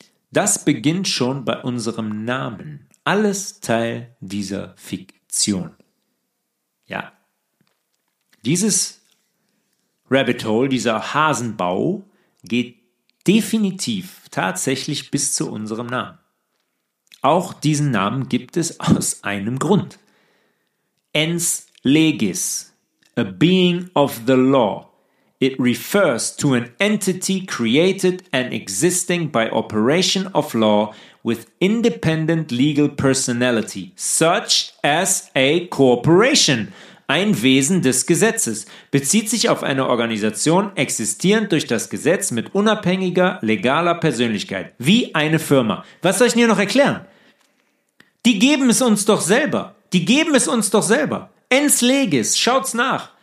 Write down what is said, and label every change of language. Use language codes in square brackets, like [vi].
[de] Das beginnt schon bei unserem Namen. Alles Teil dieser Fiktion. Ja. Dieses Rabbit Hole, dieser Hasenbau, geht definitiv tatsächlich bis zu unserem Namen. Auch diesen Namen gibt es aus einem Grund. [en] Ens legis, a being of the law. It refers to an entity created and existing by operation of law with independent legal personality, such as a corporation. [de] Ein Wesen des Gesetzes bezieht sich auf eine Organisation, existierend durch das Gesetz mit unabhängiger, legaler Persönlichkeit, wie eine Firma. Was soll ich denn hier noch erklären? Die geben es uns doch selber. Die geben es uns doch selber. Ens legis, schaut's nach.